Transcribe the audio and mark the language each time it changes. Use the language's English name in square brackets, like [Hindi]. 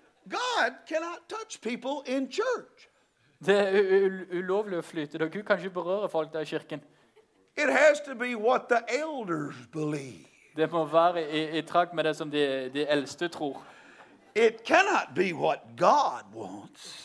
[English] God cannot touch people in church. [Norwegian] Det ulovlig å flyte, og Gud kan ikke berøre folk der i kirken. [English] It has to be what the elders believe. [Norwegian] Det må være i trakt med det som de eldste tror. [English] It cannot be what God wants.